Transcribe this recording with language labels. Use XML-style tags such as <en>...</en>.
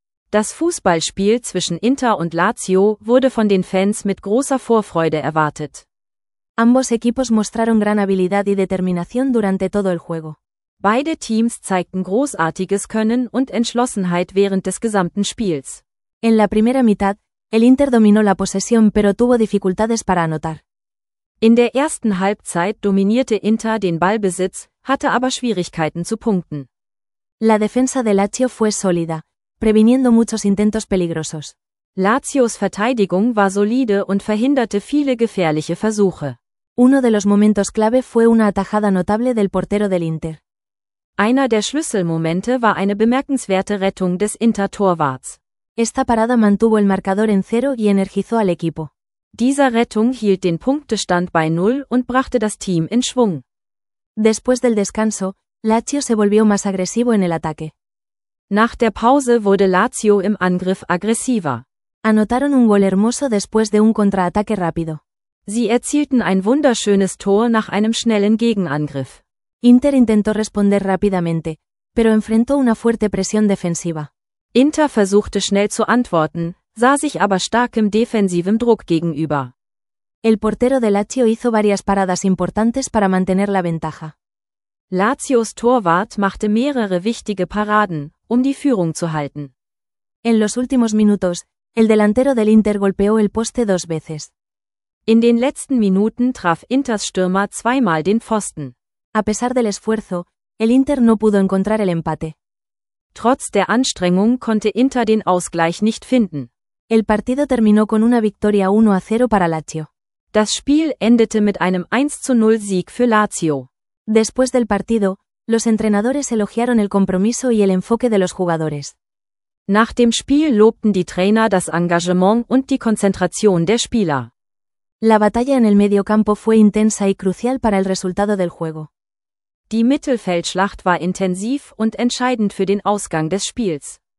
<de>Das Fußballspiel zwischen Inter und Lazio wurde von den Fans mit großer Vorfreude erwartet.</de> <es>Ambos equipos mostraron gran habilidad y determinación durante todo el juego.</es> <de>Beide Teams zeigten großartiges Können und Entschlossenheit während des gesamten Spiels.</de> <es>En la primera mitad, el Inter dominó la posesión pero tuvo dificultades para anotar.</es> <de>In der ersten Halbzeit dominierte Inter den Ballbesitz, hatte aber Schwierigkeiten zu punkten.</de> <es>La defensa de Lazio fue sólida, previniendo muchos intentos peligrosos.</es> <de>Lazios Verteidigung war solide und verhinderte viele gefährliche Versuche.</de> <es>Uno de los momentos clave fue una atajada notable del portero del Inter.</es> <de>Einer der Schlüsselmomente war eine bemerkenswerte Rettung des Inter-Torwarts.</de> <es>Esta parada mantuvo el marcador en cero y energizó al equipo.</es> <de>Dieser Rettung hielt den Punktestand bei null und brachte das Team in Schwung.</de> <es>Después del descanso, Lazio se volvió más agresivo en el ataque.</es> <de>Nach der Pause wurde Lazio im Angriff aggressiver.</de> <es>Anotaron un gol hermoso después de un contraataque rápido.</es> <de>Sie erzielten ein wunderschönes Tor nach einem schnellen Gegenangriff.</de> <es>Inter intentó responder rápidamente, pero enfrentó una fuerte presión defensiva.</es> <de>Inter versuchte schnell zu antworten, sah sich aber starkem defensivem Druck gegenüber.</de> <es>El portero de Lazio hizo varias paradas importantes para mantener la ventaja.</es> <de>Lazios Torwart machte mehrere wichtige Paraden, um die Führung zu halten.</de> <es>En los últimos minutos, el delantero del Inter golpeó el poste dos veces.</es> <de>In den letzten Minuten traf Inters Stürmer zweimal den Pfosten.</de> <es>A pesar del esfuerzo, el Inter no pudo encontrar el empate.</es> <de>Trotz der Anstrengung konnte Inter den Ausgleich nicht finden.</de> <es>El partido terminó con una victoria 1-0 para Lazio.</es> <de>Das Spiel endete mit einem 1-0 Sieg für Lazio.</de> <es>Después del partido, los entrenadores elogiaron el compromiso y el enfoque de los jugadores.</es> <de>Nach dem Spiel lobten die Trainer das Engagement und die Konzentration der Spieler.</de> <es>La batalla en el mediocampo fue intensa y crucial para el resultado del juego.</es> <de>Die Mittelfeldschlacht war intensiv und entscheidend für den Ausgang des Spiels.</de>